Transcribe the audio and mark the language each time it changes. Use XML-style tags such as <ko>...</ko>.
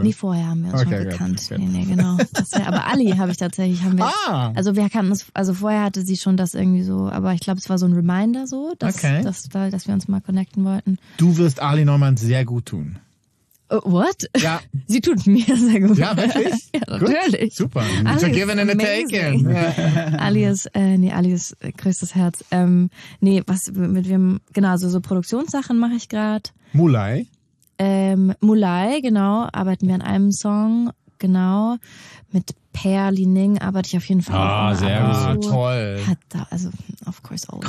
<de>Nie vorher haben wir uns schon gekannt. Nee, genau. Aber Ali habe ich tatsächlich. Also wir kannten es, also vorher hatte sie schon das irgendwie so, aber ich glaube, es war so ein Reminder so, dass wir uns mal connecten wollten. Du wirst Ali Neumann sehr gut tun.</de> <en>What?</en> <de>Ja. Sie tut mir sehr gut. Ja, wirklich? Ja, natürlich.</de> <en>Good. Super. Ali, it's a given and a taken.</en> <de>Ali ist größtes Herz. So Produktionssachen mache ich gerade. Mulai. Mulai, genau, arbeiten wir an einem Song, genau. Mit Per Li Ning arbeite ich auf jeden Fall. Ah, sehr gut. So. Toll. Hat da, also,</de> <en>of course, always.</en>